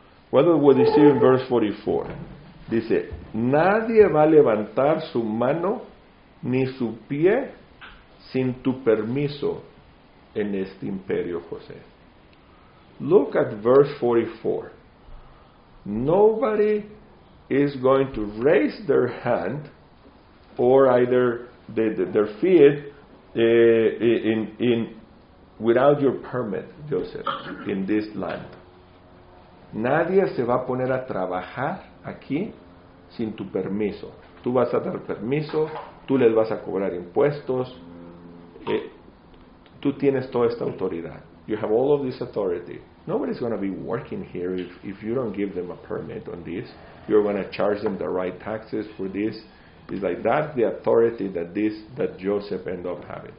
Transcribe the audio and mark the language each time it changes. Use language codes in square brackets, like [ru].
[en] What do we see in verse 44? [es] Dice, nadie va a levantar su mano ni su pie sin tu permiso en este imperio, José. [en] Look at verse 44. Nobody is going to raise their hand or either their feet in without your permit, Joseph, in this land. [es] Nadie se va a poner a trabajar aquí sin tu permiso. Tú vas a dar permiso, tú les vas a cobrar impuestos. Tú tienes toda esta autoridad. [en] You have all of this authority. Nobody's going to be working here if you don't give them a permit on this. You're going to charge them the right taxes for this. It's like that's the authority that Joseph end up having.